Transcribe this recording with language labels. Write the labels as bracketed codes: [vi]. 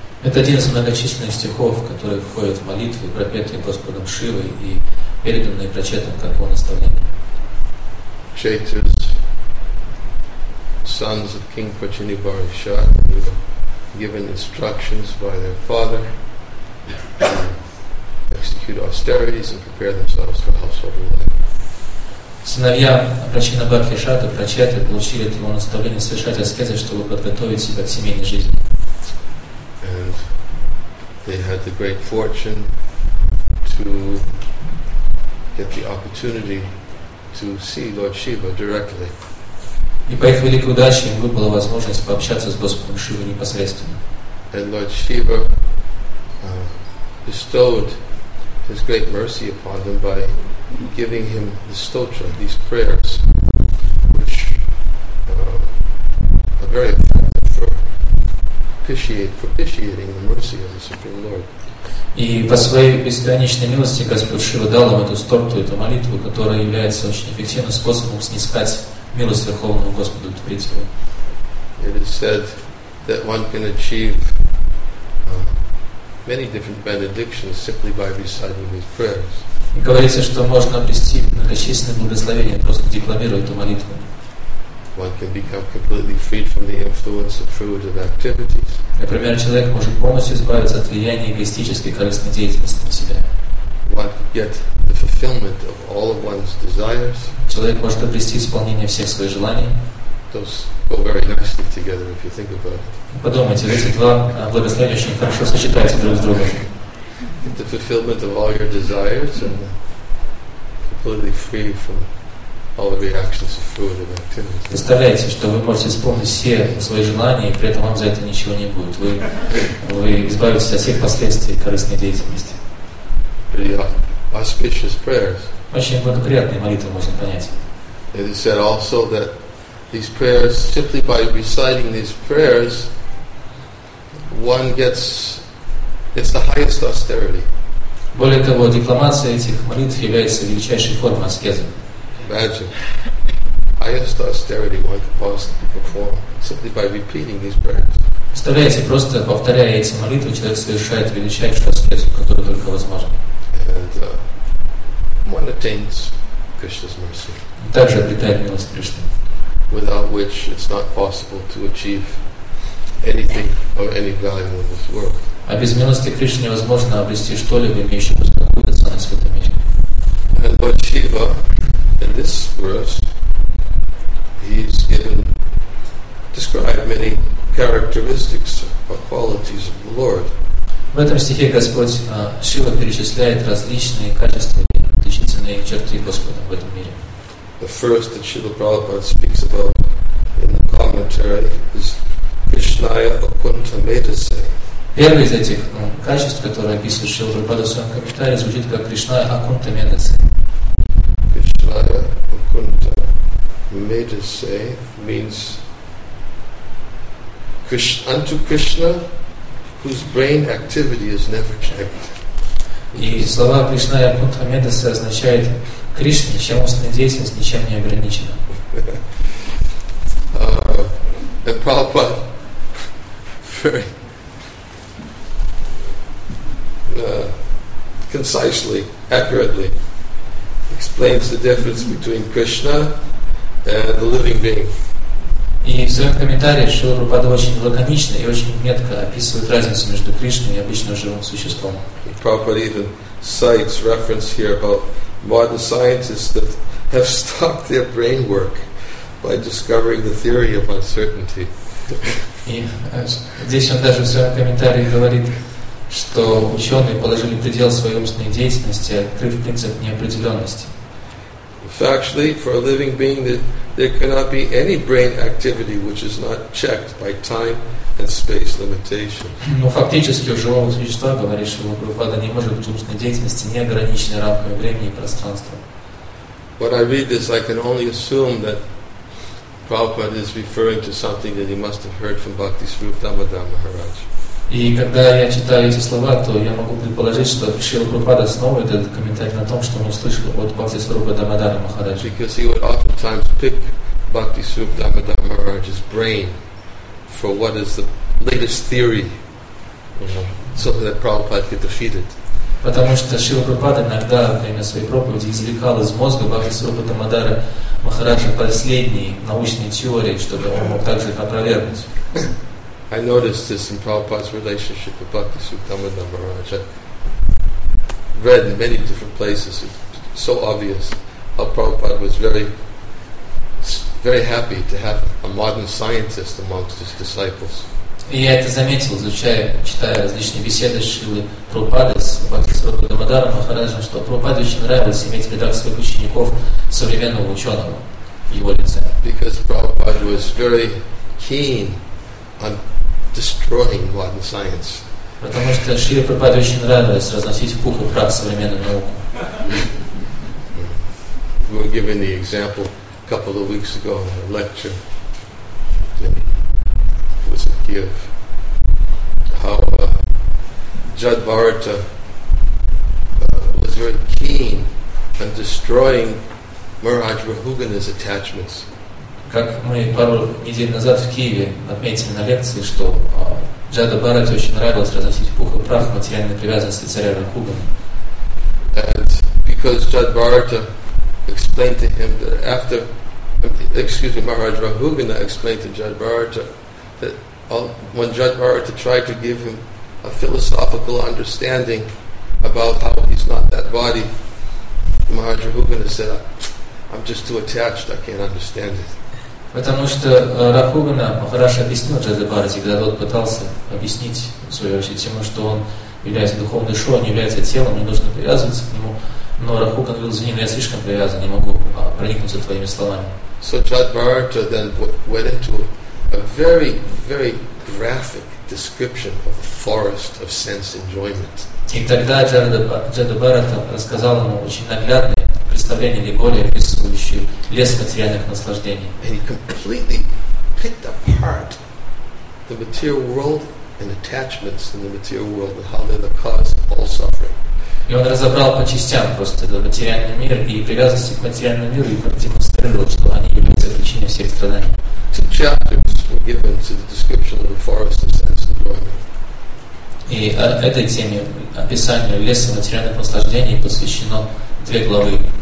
[ru] Это один из многочисленных стихов, которые входят в молитвы, пропетые Господом Шивой и переданные Пучетам как его наставление. [en] Pujetas, sons of King Pachinibharisha, they were given instructions by their father to execute austerities and prepare themselves for household life. [ru] Сыновья Прачина Бхакти Шата, Прачеты, получили от его наставление совершать аскезы, чтобы подготовить себя к семейной жизни. [en] And they had the great fortune to get the opportunity to see Lord Shiva directly. [ru] И по их великой удаче им выпала возможность пообщаться с Господом Шивой непосредственно. [en] And Lord Shiva bestowed his great mercy upon them by giving him the stotra, these prayers, which are very effective for propitiating the mercy of the Supreme Lord. [ru] И по своей бесконечной милости Господь Шива дал им эту стоту, эту молитву, которая является очень эффективным способом снискать милость Верховного Господа Творителя. [en] It is said that one can achieve many different benedictions simply by reciting these prayers. [ru] И говорится, что можно обрести многочисленные благословения, просто декламируя эту молитву. [en] One can become completely freed from the influence of fruitive activities. [ru] Например, человек может полностью избавиться от влияния эгоистической корыстной деятельности на себя. [en] One can get the fulfillment of all of one's desires. [ru] Человек может обрести исполнение всех своих желаний. [en] Those go very nicely together if you think about it. [ru] Подумайте, эти два благословения очень хорошо сочетаются друг с другом. [en] The fulfillment of all your desires and completely free from all the reactions of food and activities. [ru] Представляете, что вы можете исполнить все свои желания, и при этом вам за это ничего не будет. Вы избавитесь от всех последствий корыстной деятельности. [en] Pretty auspicious prayers. [ru] Очень благоприятные молитвы, можно понять. [en] It is said also that these prayers, simply by reciting these prayers, one gets. It's the highest austerity. [ru] Более того, декламация этих молитв является величайшей формой аскезы. [en] Imagine highest austerity one could possibly perform simply by repeating these prayers. [ru] Представляете, просто повторяя эти молитвы, человек совершает величайшую аскезу, которая только возможна. [en] And one attains Krishna's mercy. [ru] Также обретает милость Кришны. [en] Without which it's not possible to achieve anything of any value in this world. [ru] А без милости Кришны невозможно обрести что-либо, имеющее какую-то ценность в этом мире. [en] And Lord Shiva, in this verse, he's given, described many characteristics or qualities of the Lord. [ru] В этом стихе Господь Шива перечисляет различные качества и отличительные черты Господа в этом мире. [en] The first that Shiva Prabhupada speaks about in the commentary is Krishnaya Akunta Medase. [ru] Первый из этих качеств, которые описывает Шрила Прабхупада в своем комментарии, звучит как Кришная Акунта Медасе. [en] Кришная Акунта Медасе means unto Krishna, whose brain activity is never checked. [ru] И слова Кришная Акунта Медасе означает Кришне, чья умственная деятельность ничем не ограничена. [en] Прабхупада very concisely, accurately explains the difference between Krishna and the living being. [ru] И в своем комментарии Шрила Прабхупада очень лаконично и очень метко описывает разницу между Кришной и обычным живым существом. [en] Prabhupada even cites reference here about modern scientists that have stopped their brain work by discovering the theory of uncertainty. [ru] И здесь он даже в своем комментарии говорит, что ученые положили предел своей умственной деятельности, открыв принцип неопределенности. [en] Factually, for a living being, there cannot be any brain activity which is not checked by time and space limitations. [ru] Но фактически у живого существа, говорит Шрила Прабхупада, не может быть умственной деятельности неограниченной рамкой времени и пространства. [en] When I read this, I can only assume that Prabhupada is referring to something that he must have heard from Bhakti Swarupa Maharaj. [ru] И когда я читаю эти слова, то я могу предположить, что Шрила Прабхупада основывает этот комментарий на том, что он услышал от Бхакти Сварупа Дамодара Махараджи. [en] Because he would oftentimes pick Bhakti Swarupa Dhammadhara Maharaj's brain for what is the latest theory, so that Prabhupada could defeat it. [ru] Потому что Шрила Прабхупада иногда во время своей проповеди извлекал из мозга Бхакти Сварупа Дамодара Махараджи последние научные теории, чтобы он мог также их опровергнуть. [en] I noticed this in Prabhupada's relationship with Bhakti Sukhama Dhammaraj. I read in many different places, it's so obvious how Prabhupada was very, very happy to have a modern scientist amongst his disciples. [ru] И я это заметил, изучая, читая различные беседы Шрилы Прабхупады с Бхакти Сварупа Дамодаром Махараджем, что Прабхупаде очень нравилось иметь в рядах своих учеников современного ученого в его лице. [en] Because Prabhupada was very keen on destroying modern science. [ru] Потому что Шрила Прабхупаде очень нравилось разносить в пух и прах современную науку. [en] We were given the example a couple of weeks ago in a lecture that was in Kiev, how Judd Bharata was very keen on destroying Maharaj Rahugana's attachments. [ru] Как мы пару недель назад в Киеве отметили на лекции, что Джада Бхарати очень нравилось разносить пух и прах материальной привязанности царя Рахугана. [en] And because Judd Bharata explained to him that after, excuse me, Maharaj Rahugana explained to Judd Bharata that when Judd Bharata tried to give him a philosophical understanding about how he's not that body, Maharaj Rahugana said, "I'm just too attached. I can't understand it." [ru] Потому что Рахугана хорошо объяснил Джада Бхарати, когда тот пытался объяснить свою вещь тему, что он является духовной шо, он является телом, не нужно привязываться к нему. Но Рахуган говорил, извини, но я слишком привязан, не могу проникнуться твоими словами. [en] So Jad Bharata then went into a very, very graphic description of a forest of sense enjoyment. [ru] И тогда Джада Бхарата рассказал ему очень наглядно представление Леголи, описывающее лес материальных наслаждений. [en] And he completely picked apart the material world and attachments in the material world and how they're the cause of all suffering. [ru] И он разобрал по частям просто этот материальный мир и привязанности к материальному миру и продемонстрировал, что они являются причиной всех страданий. [en] Two chapters were given to the description of the forest of sense enjoyment. [ru] И этой теме описание леса материальных наслаждений посвящено две главы.